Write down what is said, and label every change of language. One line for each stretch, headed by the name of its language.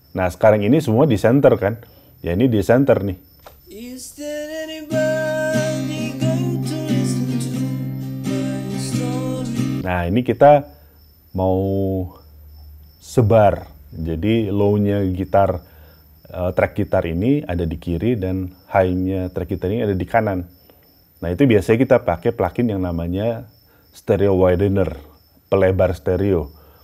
Indonesian: Nah, sekarang ini semua di center kan? Ya, ini di center nih.
English: Is there anybody going to listen to my story?
Indonesian: Nah, ini kita mau sebar. Jadi, low-nya gitar, track gitar ini ada di kiri dan high-nya track gitar ini ada di kanan. Nah, itu biasanya kita pakai plugin yang namanya stereo widener, pelebar stereo.